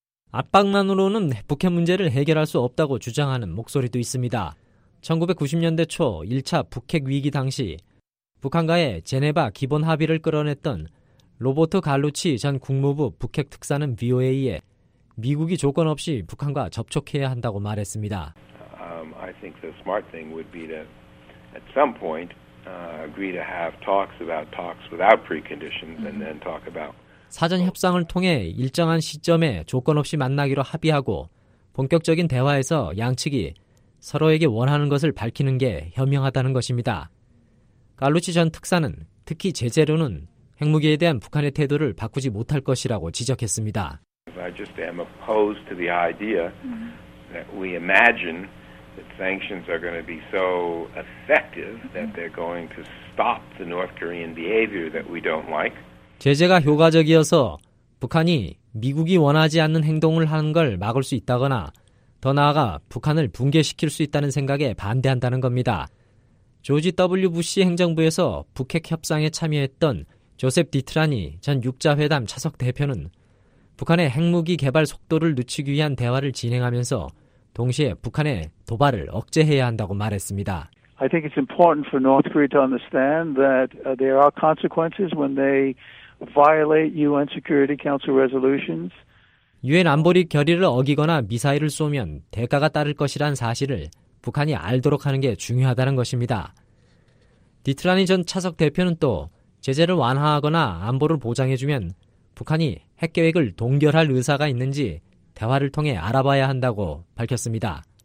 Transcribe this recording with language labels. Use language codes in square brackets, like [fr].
[ko] 압박만으로는 북핵 문제를 해결할 수 없다고 주장하는 목소리도 있습니다. 1990년대 초 1차 북핵 위기 당시 북한과의 제네바 기본 합의를 끌어냈던 로버트 갈루치 전 국무부 북핵 특사는 VOA에 미국이 조건 없이 북한과 접촉해야 한다고 말했습니다. [en] I think the smart thing would be to at some point agree to have talks about talks without preconditions and then talk about [ko] 사전 협상을 통해 일정한 시점에 조건 없이 만나기로 합의하고 본격적인 대화에서 양측이 서로에게 원하는 것을 밝히는 게 현명하다는 것입니다. 갈루치 전 특사는 특히 제재로는 핵무기에 대한 북한의 태도를 바꾸지 못할 것이라고 지적했습니다. [en] I just am opposed to the idea that we imagine that sanctions are going to be so effective that they're going to stop the North Korean behavior that we don't like. [ko] 제재가 효과적이어서 북한이 미국이 원하지 않는 행동을 하는 걸 막을 수 있다거나 더 나아가 북한을 붕괴시킬 수 있다는 생각에 반대한다는 겁니다. 조지 W. 부시 행정부에서 북핵 협상에 참여했던 조셉 디트라니 전 6자회담 차석 대표는 북한의 핵무기 개발 속도를 늦추기 위한 대화를 진행하면서 동시에 북한의 도발을 억제해야 한다고 말했습니다. [en] I think it's important for North Korea to understand that there are consequences when they violate UN Security Council resolutions. [ko] 유엔 안보리 결의를 어기거나 미사일을 쏘면 대가가 따를 것이란 사실을 북한이 알도록 하는 게 중요하다는 것입니다. 디트라니 전 차석 대표는 또 제재를 완화하거나 안보를 보장해주면 북한이 핵계획을 동결할 의사가 있는지 대화를 통해 알아봐야 한다고 밝혔습니다.